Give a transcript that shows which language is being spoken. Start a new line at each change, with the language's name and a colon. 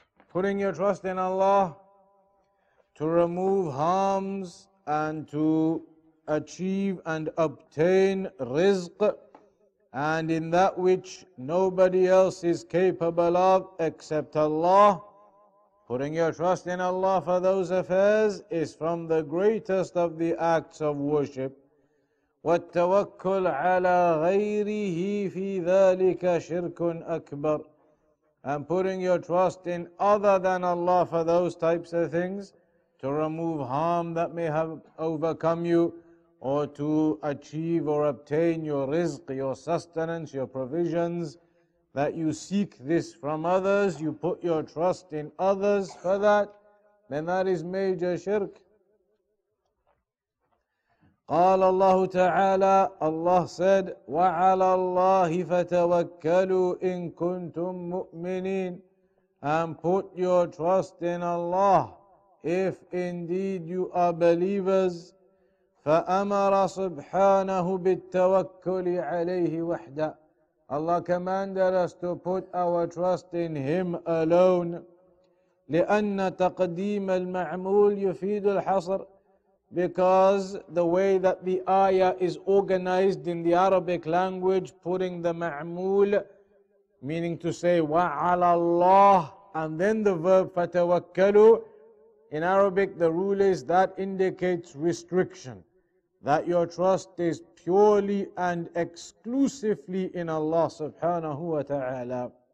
English: Putting your trust in Allah to remove harms and to achieve and obtain rizq, and in that which nobody else is capable of except Allah, Putting your trust in Allah for those affairs is from the greatest of the acts of worship.
Arabic: والتوكل على غيره في ذلك شرك أكبر.
English: And putting your trust in other than Allah for those types of things, to remove harm that may have overcome you, or to achieve or obtain your rizq, your sustenance, your provisions, that you seek this from others, you put your trust in others for that, then that is major shirk.
Arabic: قال الله تعالى الله
English: said
Arabic: وعلى الله فتوكلوا إن كنتم مؤمنين
English: and put your trust in Allah if indeed you are believers.
Arabic: فأمر سبحانه بالتوكل عليه وحده.
English: Allah commanded us to put our trust in Him alone.
Arabic: لأن تقديم المعمول يفيد الحصر.
English: Because the way that the ayah is organized in the Arabic language, putting the ma'mool, meaning to say wa'ala Allah, and then the verb fatawakkalu, in Arabic the rule is that indicates restriction, that your trust is purely and exclusively in Allah subhanahu wa ta'ala.